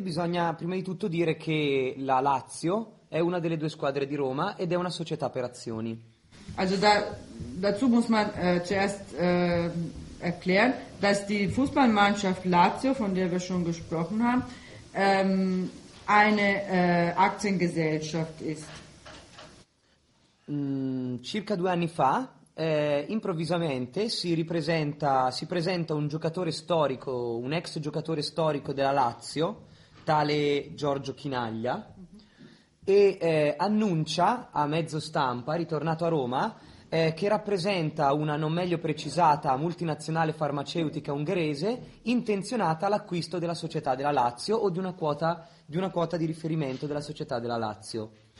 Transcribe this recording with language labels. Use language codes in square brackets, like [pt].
[it] Bisogna prima di tutto dire che la Lazio è una delle due squadre di Roma ed è una società per azioni. [de] Also dazu muss man zuerst erklären, dass die Fußballmannschaft Lazio, von der wir schon gesprochen haben, eine Aktiengesellschaft ist. [it] Circa due anni fa, improvvisamente si presenta un giocatore storico, un ex giocatore storico della Lazio, tale Giorgio Chinaglia, e annuncia a mezzo stampa, ritornato a Roma, che rappresenta una non meglio precisata multinazionale farmaceutica ungherese intenzionata all'acquisto della società della Lazio o di una quota di riferimento della società della Lazio.